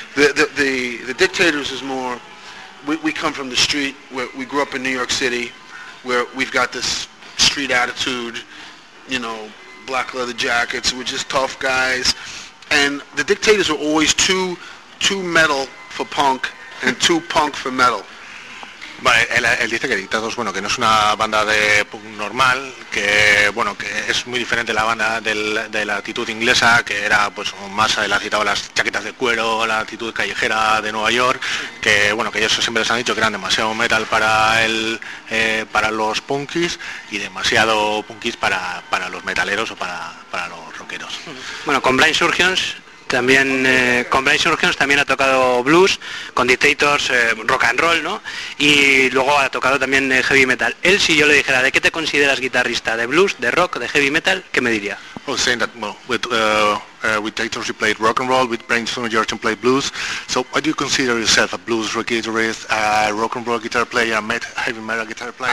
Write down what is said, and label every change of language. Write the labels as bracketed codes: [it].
[en] The Dictators is more, we come from the street, where we grew up in New York City, where we've got this street attitude, you know, black leather jackets, we're just tough guys, and the Dictators were always too metal for punk and too punk for metal. [es] Vale, él dice que Dictados, bueno, que no es una banda de punk normal, que, bueno, que es muy diferente la banda de la actitud inglesa, que era, pues, más, él ha citado las chaquetas de cuero, la actitud callejera de Nueva York, que, bueno, que ellos siempre les han dicho que eran demasiado metal para para los punkies y demasiado punkies para los metaleros o para los rockeros. Bueno, con Blind Surgeons... también con Blind Urgence también ha tocado blues, con Dictators rock and roll, ¿no? Y luego ha tocado también heavy metal. Él, si yo le dijera, ¿de qué te consideras guitarrista? ¿De blues, de rock, de heavy metal? ¿Qué me diría? [en] Well, saying that, well, with Dictators you played rock and roll, with Brain Stone Jordan played blues. So what do you consider yourself, a blues guitarist, a rock and roll guitar player, a heavy metal guitar player?